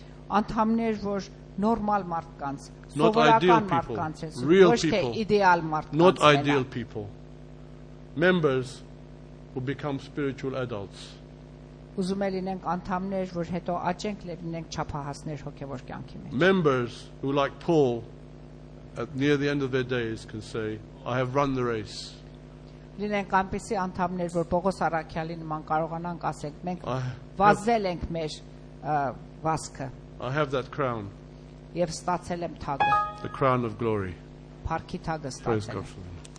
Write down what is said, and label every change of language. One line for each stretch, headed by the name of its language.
Armenian: Անդամներ, որ normal մարդկանց, սովորական մարդկանց, ոչ թե ideal մարդկանց,
English: not ideal people. Members who become spiritual adults.
Armenian: Ուզում եմ լինենք անդամներ, որ հետո աճենք եւ լինենք չափահասներ հոգեոր կյանքի մեջ.
English: Members who like Paul at near the end of their days can say, I have run the race.
Armenian: Լինենք այնպիսի անդամներ, որ Պողոս առաքյալի նման կարողանանք ասենք, մենք վազել ենք մեր վազքը.
English: I have that crown.
Armenian: Եվ ստացել եմ թագը.
English: The crown of glory.
Armenian: Փառքի թագը ստացել եմ.
English: Praise God for them.